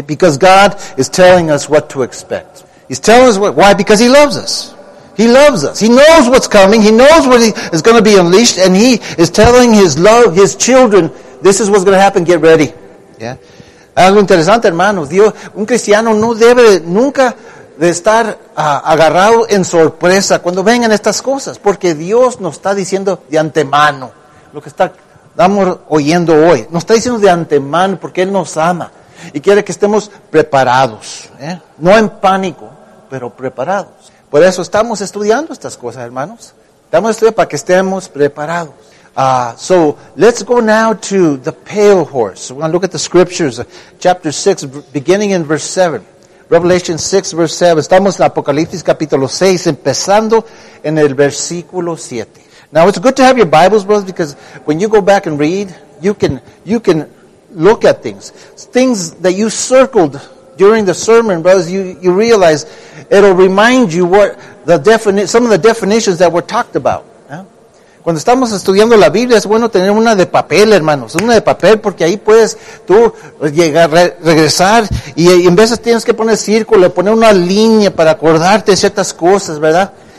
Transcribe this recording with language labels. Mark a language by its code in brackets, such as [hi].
[en] Because God is telling us what to expect. He's telling us what. Why? Because He loves us. He loves us. He knows what's coming. He knows what is going to be unleashed. And He is telling His love, His children, this is what's going to happen. Get ready. [es] Yeah? Algo interesante, hermano. Dios, un cristiano no debe nunca de estar agarrado en sorpresa cuando vengan estas cosas, porque Dios nos está diciendo de antemano lo que estamos oyendo hoy. Nos está diciendo de antemano porque Él nos ama y quiere que estemos preparados, no en pánico, pero preparados. Por eso estamos estudiando estas cosas, hermanos. Estamos estudiando para que estemos preparados. [en] So let's go now to the pale horse. We're going to look at the scriptures, chapter 6, beginning in verse 7. Revelation 6, verse 7. [es] Estamos en Apocalipsis, capítulo 6, empezando en el versículo 7. [en] Now it's good to have your Bibles, brothers, because when you go back and read, you can look at things. Things that you circled during the sermon, brothers, you realize it'll remind you what some of the definitions that were talked about. [es] Cuando estamos estudiando la Biblia, es bueno tener una de papel, hermanos. Una de papel, porque ahí puedes tú llegar, regresar, y en veces tienes que poner círculo, poner una línea para acordarte de ciertas cosas, ¿verdad?